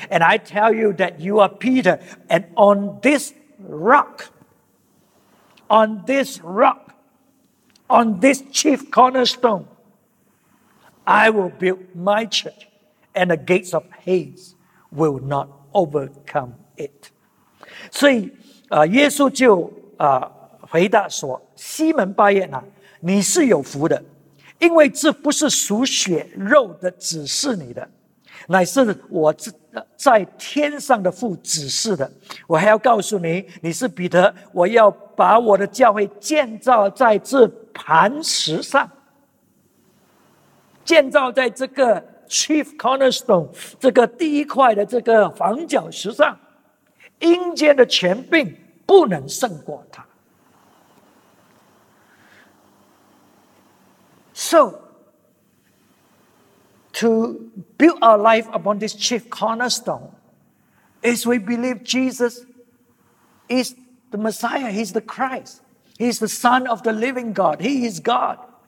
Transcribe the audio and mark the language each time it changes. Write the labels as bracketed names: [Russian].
[English] And I tell you that you are Peter, and on this rock, on this chief cornerstone, I will build my church, and the gates of Hades will not overcome it. [Chinese] 所以耶稣就 回答说，西门巴叶呐，你是有福的，因为这不是属血肉的指示你的，乃是我在天上的父指示的。我还要告诉你，你是彼得，我要把我的教会建造在这磐石上，建造在这个 chief cornerstone 这个第一块的这个房角石上，阴间的权柄 不能胜过他。 [English] So, to build our life upon this chief cornerstone is we believe Jesus is the Messiah, He's the Christ, He's the Son of the Living God, He is God.